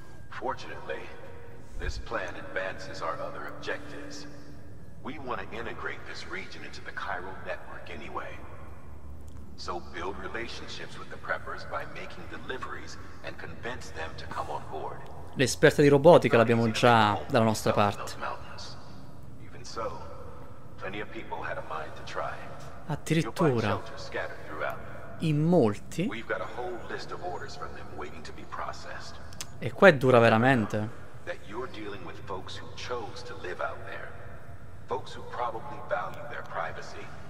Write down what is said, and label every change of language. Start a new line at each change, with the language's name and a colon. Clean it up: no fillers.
English: Fortunately, this plan advances our other objectives. We want to integrate this region into the chiral network anyway. So build relationships with the preppers by making deliveries and convince them to come on board.
Italian: L'esperta di robotica l'abbiamo già dalla nostra parte.
English: Even so, plenty of people had a mind to try.
Italian: Addirittura. In molti.
English: We've got a whole list of orders from them waiting to be processed.
Italian: E qua è dura veramente.
English: That you're dealing with folks who chose to live out there. Folks who probably value their privacy.